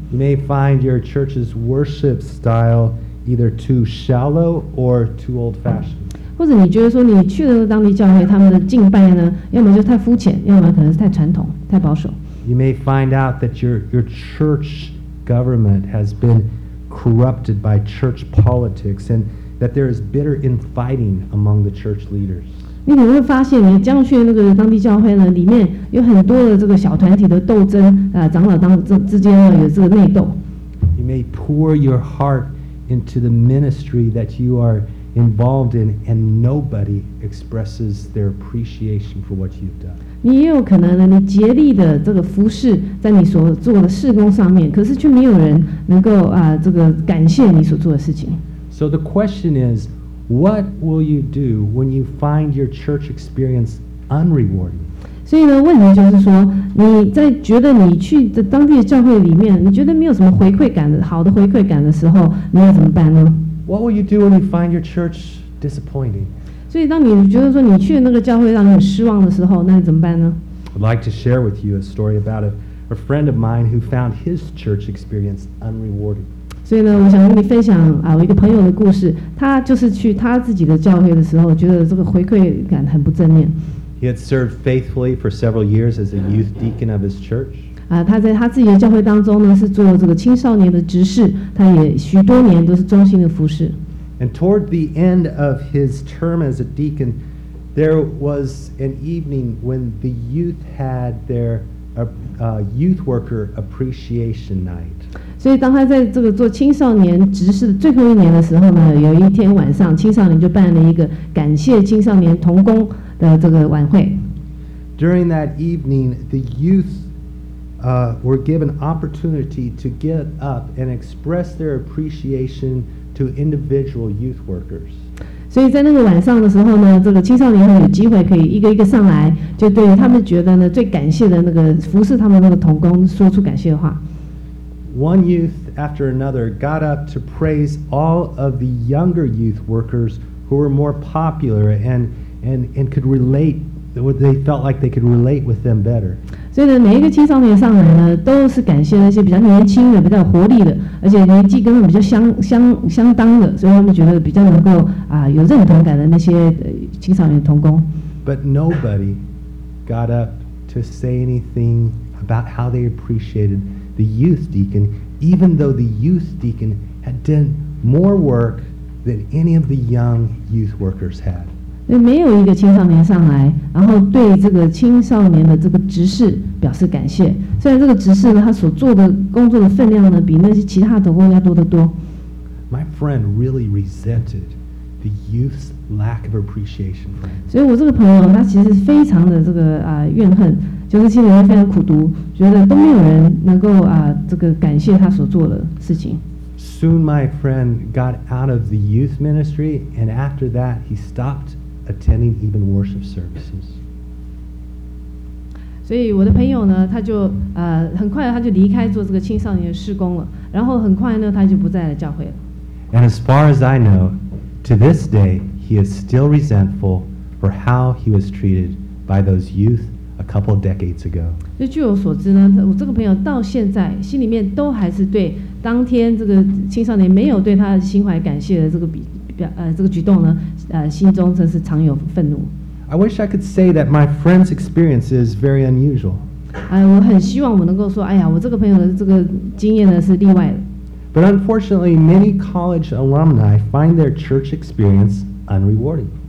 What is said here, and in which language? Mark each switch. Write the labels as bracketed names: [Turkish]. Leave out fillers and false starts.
[English] You may find your church's worship style either too shallow or too old-fashioned. [Chinese] 或者你觉得说你去的当地教会他们的敬拜呢，要么就太肤浅，要么可能是太传统、太保守。 [English] You may find out that your church government has been corrupted by church politics and that there is bitter infighting among the church leaders. [Chinese] 你可能会发现你将去那个当地教会呢，里面有很多的这个小团体的斗争，长老当之间呢有这个内斗。 [English] You may pour your heart into the ministry that you are involved in and nobody expresses their appreciation for what you've done. [Chinese] 你也有可能呢，你竭力的这个服侍在你所做的事工上面，可是却没有人能够这个感谢你所做的事情。 [English] So the question is, what will you do when you find your church experience unrewarding? [Chinese] 所以呢，问题就是说，你在觉得你去的当地的教会里面，你觉得没有什么回馈感的，好的回馈感的时候，你要怎么办呢 [English] ？What will you do when you find your church disappointing? [Chinese] 所以当你觉得说你去的那个教会让你很失望的时候，那你怎么办呢？ [English] I'd like to share with you a story about a friend of mine who found his church experience unrewarding. [Chinese] 所以呢，我想跟你分享我一个朋友的故事。他就是去他自己的教会的时候，觉得这个回馈感很不正面。 [English] He had served faithfully for several years as a youth deacon of his church. [Chinese] 他在他自己的教会当中呢，是做这个青少年的执事，他也许多年都是忠心的服侍。 [English] And toward the end of his term as a deacon, there was an evening when the youth had their youth worker appreciation night. [Chinese] 所以当他在这个做青少年执事的最后一年的时候呢，有一天晚上，青少年就办了一个感谢青少年同工的这个晚会。 [English] During that evening, the youth were given opportunity to get up and express their appreciation. To individual youth workers. [Chinese] 所以在那个晚上的时候呢，这个青少年有机会可以一个一个上来，就对他们觉得呢最感谢的那个服侍他们那个同工说出感谢的话。 [English] One youth after another got up to praise all of the younger youth workers who were more popular and could relate, they felt like they could relate with them better. [Chinese] 所以呢，每一个青少年上来呢，都是感谢那些比较年轻的、比较有活力的，而且年纪跟他们比较相当的，所以他们觉得比较能够有认同感的那些青少年同工。 [English] But nobody got up to say anything about how they appreciated the youth deacon, even though the youth deacon had done more work than any of the young youth workers had. [Chinese] 没有一个青少年上来，然后对这个青少年的这个执事表示感谢。虽然这个执事呢，他所做的工作的分量呢，比那些其他同工要多得多。 [English] My friend really resented the youth's lack of appreciation for him. [Chinese] 所以我这个朋友他其实非常的这个怨恨，就是心里面非常苦毒，觉得都没有人能够这个感谢他所做的事情。 [English] Soon my friend got out of the youth ministry, and after that he stopped. Attending even worship services. [Chinese] 所以我的朋友呢，他就很快他就离开做这个青少年的事工了。然后很快呢，他就不在了教会了。 [English] And as far as I know, to this day, he is still resentful for how he was treated by those youth a couple of decades ago. [Chinese] 就据我所知呢，我这个朋友到现在心里面都还是对当天这个青少年没有对他心怀感谢的这个举动呢，心中真是常有愤怒。 [English] I wish I could say that my friend's experience is very unusual. [Chinese] 我很希望我能够说，哎呀，我这个朋友的这个经验呢是例外的。 [English] But unfortunately, many college alumni find their church experience unrewarding.